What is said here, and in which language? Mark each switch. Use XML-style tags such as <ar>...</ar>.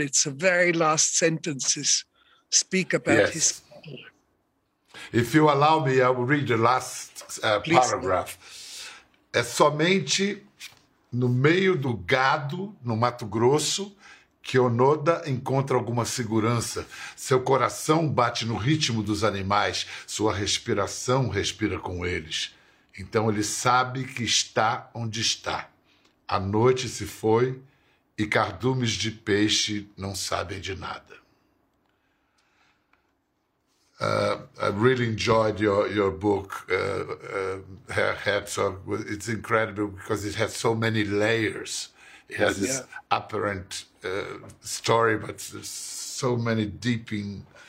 <en>It's the very last sentences speak about his cattle. If you allow me, I will read the last paragraph.</en> <pt>É somente no meio do gado, no Mato Grosso, que Onoda encontra alguma segurança. Seu coração bate no ritmo dos animais, sua respiração respira com eles. Então ele sabe que está onde está. A noite se foi e cardumes de peixe não sabem de nada.</pt> <en>I really enjoyed your book, Herzog. It's incredible because it has so many layers. He has this apparent story, but there's so many deeping...</en>